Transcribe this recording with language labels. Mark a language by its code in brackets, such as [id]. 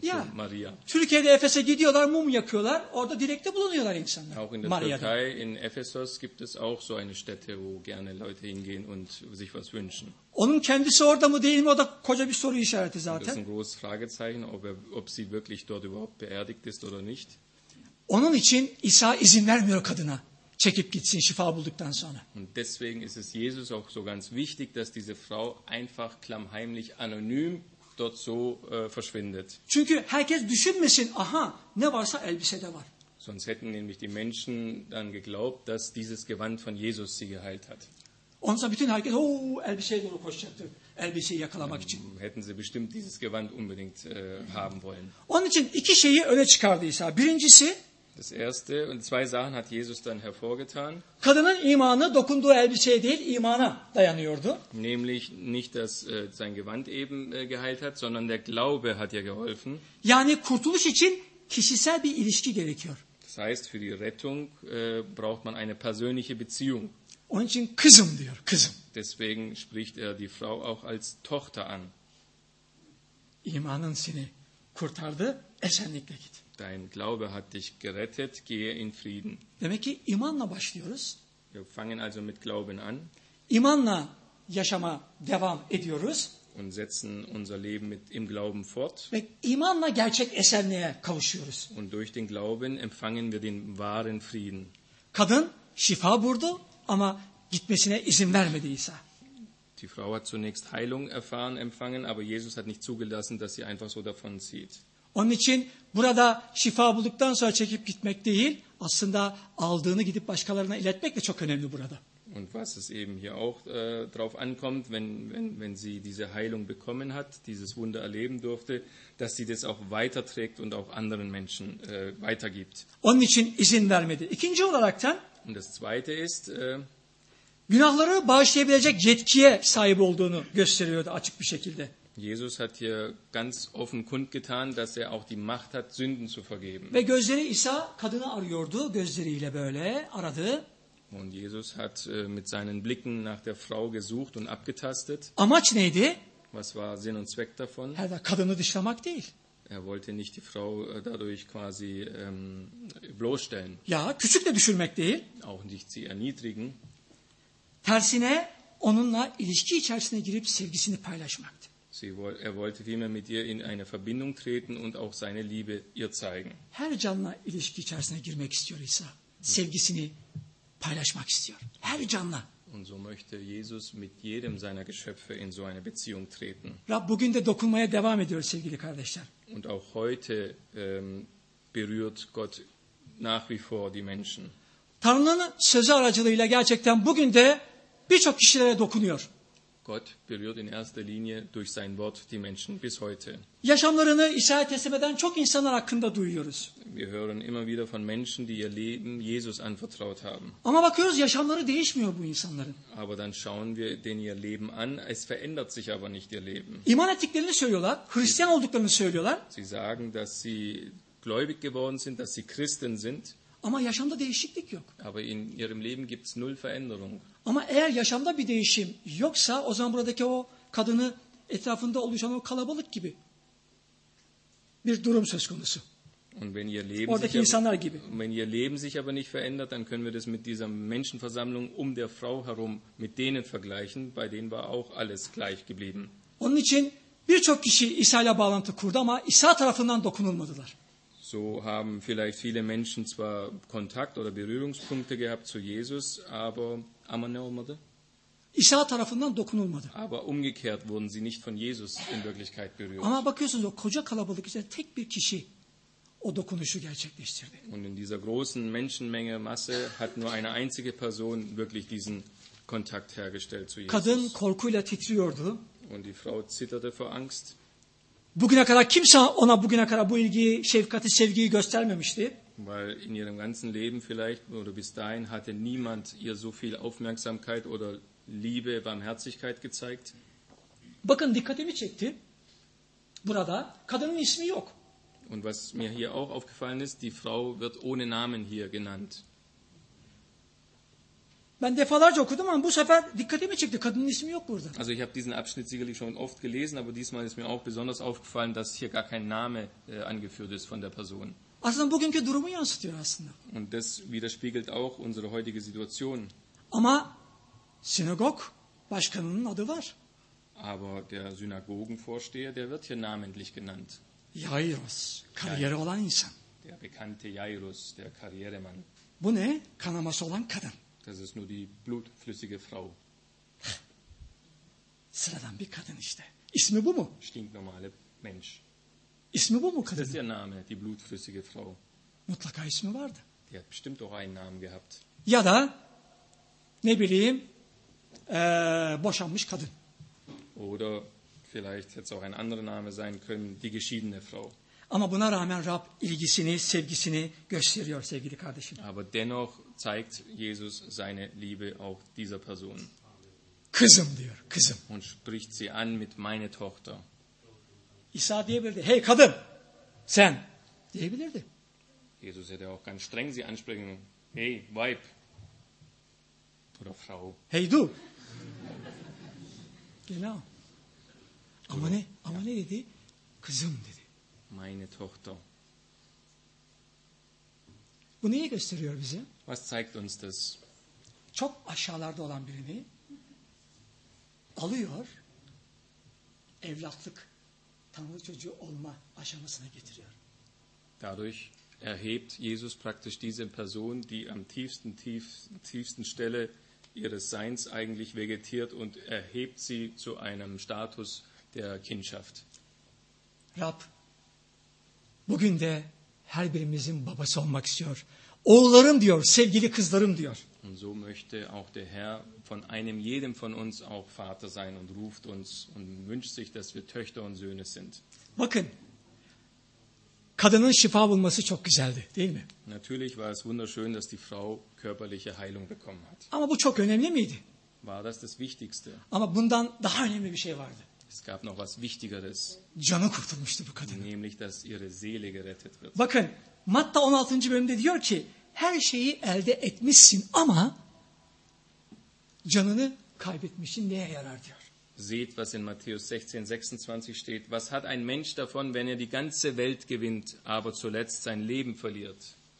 [de] ja, zu Maria. [tr] Türkiye'de Efes'e gidiyorlar, mum yakıyorlar. Orada direkte bulunuyorlar insanlar. [de] Auch in der Maria'da. Türkei, in Ephesus gibt es auch so eine Stätte, wo gerne Leute hingehen und sich was wünschen. [tr] Onun kendisi orada mı değil mi? O da koca bir soru işareti zaten. [de] Das ist ein großes Fragezeichen, ob sie wirklich dort überhaupt beerdigt ist oder nicht. [tr] Onun için İsa izin vermiyor kadına. Çekip gitsin şifa bulduktan sonra. [de] Und deswegen ist es Jesus auch so ganz wichtig, dass diese Frau einfach klammheimlich anonym dort so verschwindet. [tr] Çünkü herkes düşünmesin, aha ne varsa elbisede var. [de] Sonst hätten nämlich die Menschen dann geglaubt, dass dieses Gewand von Jesus sie geheilt hat. [tr] Onsa bütün herkes o elbiseye doğru koşacaktı. Elbiseyi yakalamak için. [de] Hätten sie bestimmt dieses Gewand unbedingt haben wollen. [tr] Onun için iki şeyi öne çıkardı İsa. Birincisi, [de] das erste und zwei Sachen hat Jesus dann hervorgetan. [tr] Kadının imanı dokunduğu elbiseye değil, imana dayanıyordu. [de] Nämlich nicht, dass sein Gewand eben geheilt hat, sondern der Glaube hat ihr geholfen. [tr] Yani kurtuluş için kişisel bir ilişki gerekiyor. [de] Das heißt, für die Rettung braucht man eine persönliche Beziehung. [tr] Onun için kızım diyor, kızım. [de] Deswegen spricht er die Frau auch als Tochter an. [tr] İmanın seni kurtardı, esenlikle git. [de] Dein Glaube hat dich gerettet, gehe in Frieden. [tr] Demek ki imanla başlıyoruz. [de] Wir fangen also mit Glauben an. [tr] İmanla yaşama devam ediyoruz. [de] Und setzen unser Leben mit im Glauben fort. [tr] Ve imanla gerçek esenliğe kavuşuyoruz. [de] Und durch den Glauben empfangen wir den wahren Frieden. [tr] Kadın şifa buldu ama gitmesine izin vermedi İsa. [de] Die Frau hat zunächst Heilung erfahren, empfangen, aber Jesus hat nicht zugelassen, dass sie einfach so davon zieht. [tr] Onun için burada şifa bulduktan sonra çekip gitmek değil, aslında aldığını gidip başkalarına iletmek de çok önemli burada. [de] Und was es eben hier auch drauf ankommt, wenn sie diese Heilung bekommen hat, dieses Wunder erleben durfte, dass sie das auch weiterträgt und auch anderen Menschen weitergibt. [tr] Onun için izin vermedi. İkinci olarak da, [de] und das zweite ist, [tr] günahları bağışlayabilecek yetkiye sahip olduğunu gösteriyordu açık bir şekilde. [de] Jesus hat hier ganz offen kundgetan, dass er auch die Macht hat, Sünden zu vergeben. [tr] Ve gözleri İsa kadını arıyordu, gözleriyle böyle aradı. [de] Und Jesus hat mit seinen Blicken nach der Frau gesucht und abgetastet. [tr] Amaç neydi? [de] Was war Sinn und Zweck davon? [tr] Ja, kadını dışlamak değil. [de] Er wollte nicht die Frau dadurch quasi bloßstellen. [tr] Ja, küçük de düşürmek değil. [de] Auch nicht sie erniedrigen. [tr] Tersine onunla ilişki içerisine girip sevgisini paylaşmaktı. [de] Er wollte vielmehr mit ihr in eine Verbindung treten und auch seine Liebe ihr zeigen. [tr] Her canla ilişki içerisine girmek istiyor İsa. Sevgisini paylaşmak istiyor. Her canla. [de] Und so möchte Jesus mit jedem seiner Geschöpfe in so eine Beziehung treten. [tr] Rab bugün de dokunmaya devam ediyor sevgili kardeşler. [de] Und auch heute berührt Gott nach wie vor die Menschen. [tr] Tanrı'nın sözü aracılığıyla gerçekten bugün de birçok kişilere dokunuyor. [de] Gott berührt in erster Linie durch sein Wort die Menschen bis heute. [tr] Yaşamlarını İsa'ya teslim eden çok insanlar hakkında duyuyoruz. [de] Wir hören immer wieder von Menschen, die ihr Leben Jesus anvertraut haben. [tr] Ama bakıyoruz yaşamları değişmiyor bu insanların. [de] Aber dann schauen wir denen ihr Leben an, es verändert sich aber nicht ihr Leben. [tr] İman ettiklerini söylüyorlar, Hristiyan olduklarını söylüyorlar. [de] Sie sagen, dass sie gläubig geworden sind, dass sie Christen sind. [tr] Ama yaşamda değişiklik yok. [de] Aber in ihrem Leben gibt's null Veränderung. [tr] Ama eğer yaşamda bir değişim yoksa o zaman buradaki o kadını etrafında oluşan o kalabalık gibi bir durum söz konusu. [de] Und wenn ihr Leben [tr] oradaki sich insanlar [de] aber, [tr] gibi. [de] Wenn ihr Leben sich aber nicht verändert, dann können wir das mit dieser Menschenversammlung um der Frau herum mit denen vergleichen, bei denen war auch alles gleich geblieben. [tr] Onun için birçok kişi İsa ile bağlantı kurdu ama İsa tarafından dokunulmadılar. [de] So haben vielleicht viele Menschen zwar Kontakt oder Berührungspunkte gehabt zu Jesus, aber [tr] ne olmadı? İsa tarafından dokunulmadı. [de] Aber umgekehrt wurden sie nicht von Jesus in Wirklichkeit berührt. [tr] Ama bakıyorsunuz o koca kalabalık içinde tek bir kişi o dokunuşu gerçekleştirdi. [de] Und in dieser großen Menschenmenge Masse hat nur eine einzige Person wirklich diesen Kontakt hergestellt zu Jesus. [tr] Kadın korkuyla titriyordu. [de] Und die Frau zitterte vor Angst. [tr] Bugüne kadar kimse ona bugüne kadar bu ilgiyi, şefkati, sevgiyi göstermemişti. [de] Weil in ihrem ganzen Leben vielleicht oder bis dahin hatte niemand ihr so viel Aufmerksamkeit oder Liebe, Barmherzigkeit gezeigt. [tr] Bakın dikkatimi çekti. Burada kadının ismi yok. [de] Und was mir hier auch aufgefallen ist, die Frau wird ohne Namen hier genannt. [tr] Ben defalarca okudum ama bu sefer dikkatimi çekti. Kadının ismi yok burada. [de] Also ich habe diesen Abschnitt sicherlich schon oft gelesen, aber diesmal ist mir auch besonders aufgefallen, dass hier gar kein Name angeführt ist von der Person. [tr] Aslında bugünkü durumu yansıtıyor aslında. [de] Und das widerspiegelt auch unsere heutige Situation. [tr] Ama sinagog başkanının adı var. [de] Aber der Synagogenvorsteher, der wird hier namentlich genannt. [tr] Jairus, kariyeri olan insan. [de] Der bekannte Jairus, der Karrieremann. [tr] Bu ne? Kanaması olan kadın. [de] Das ist nur die blutflüssige Frau. [tr] Sıradan bir kadın işte. İsmi bu mu? [de] Stinknormale Mensch. [tr] İsmi bu mu kadın? [de] Das ist ihr Name, die blutflüssige Frau. [tr] Mutlaka ismi vardı. [de] Die hat bestimmt auch einen Namen gehabt. [tr] Ya da ne bileyim boşanmış kadın. [de] Oder vielleicht hätte es auch ein anderer Name sein können, die geschiedene Frau. [tr] Ama buna rağmen Rab ilgisini, sevgisini gösteriyor sevgili kardeşim. [de] Aber dennoch zeigt Jesus seine Liebe auch dieser Person. [tr] Kızım diyor, kızım. [de] Und spricht sie an mit meine Tochter. [tr] İsa diyebilirdi, hey kadın, sen diyebilirdi. [de] Jesus hätte auch ganz streng sie ansprechen. Hey, Weib. Oder Frau. Hey, du. Genau. [tr] Ama ne, ama ne dedi? Kızım dedi. [de] Meine Tochter. [tr] Bu neyi gösteriyor bize? [de] Was zeigt uns das? [tr] Çok aşağılarda olan birini alıyor, evlatlık, Tanrı çocuğu olma aşamasına getiriyor. [de] Dadurch erhebt Jesus praktisch diese Person, die am tiefsten Stelle ihres Seins eigentlich vegetiert und erhebt sie zu einem Status der Kindschaft. [tr] Rab, Bugün de her birimizin babası olmak istiyor. Oğullarım diyor, sevgili kızlarım diyor. [de] Und so möchte auch der Herr von einem jedem von uns auch Vater sein und ruft uns und wünscht sich, dass wir Töchter und Söhne sind. [tr] Bakın, kadının şifa bulması çok güzeldi, değil mi? [de] Natürlich war es wunderschön, dass die Frau körperliche Heilung bekommen hat. [tr] Ama bu çok önemli miydi? [de] War das das Wichtigste? [tr] Ama bundan daha önemli bir şey vardı. [de] Es gab noch was Wichtigeres. [tr] Canı kurtulmuştu bu kadının. [de] Nämlich, dass ihre Seele gerettet wird. [tr] Bakın, Matta 16. bölümde diyor ki, her şeyi elde etmişsin ama canını kaybetmişsin, neye yarar diyor. [de] Seht, was in Matthäus 16:26 steht. Was hat ein Mensch davon, wenn er die ganze Welt gewinnt, aber zuletzt sein Leben verliert?